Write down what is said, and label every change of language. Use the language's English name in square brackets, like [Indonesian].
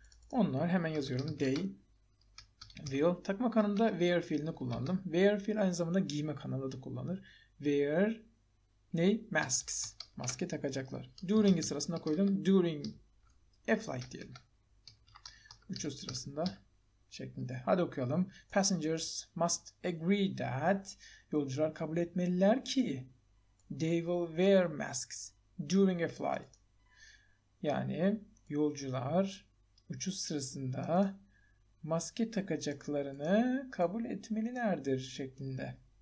[Turkish] Onlar hemen yazıyorum. [English] They. Will. [Turkish] Takmak anında wear fiilini kullandım. Wear fiil aynı zamanda giymek anında da kullanılır. Wear ne? Masks. Maske takacaklar. During'i sırasında koydum. [English] During a flight [Turkish] diyelim. uçuş sırasında şeklinde. Hadi okuyalım. [English] Passengers must agree that, [Turkish] yolcular kabul etmeliler ki, [English] they will wear masks during a flight. [Turkish] Yani yolcular uçuş sırasında maske takacaklarını kabul etmelilerdir şeklinde.